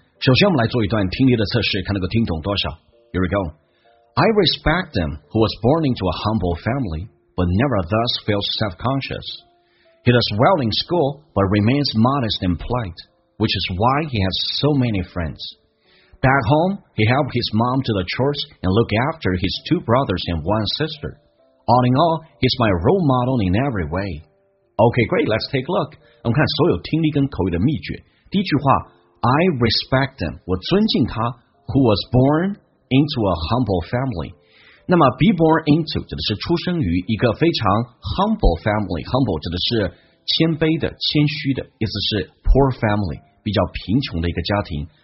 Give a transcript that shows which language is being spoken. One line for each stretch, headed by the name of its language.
Chinese: 首先我们来做一段听力的测试，看能够听懂多少。
English: Here we go. I respect them who was born into a humble family but never thus feels self-conscious. He does well in school but remains modest and polite, which is why he has so many friends. Back home, he helped his mom do the chores and look after his two brothers and one sister. All in all, he's my role model in every way. Okay, great, let's take a look.
Chinese: 我们看所有听力跟口语的秘诀。第一句话
English: I respect them，
Chinese: 我尊敬他
English: who was born into a humble family。
Chinese: 那么 be born into 指的是出生于一个非常 humble family， humble 指的是谦卑的谦虚的，意思是 poor family， 比较贫穷的一个家庭。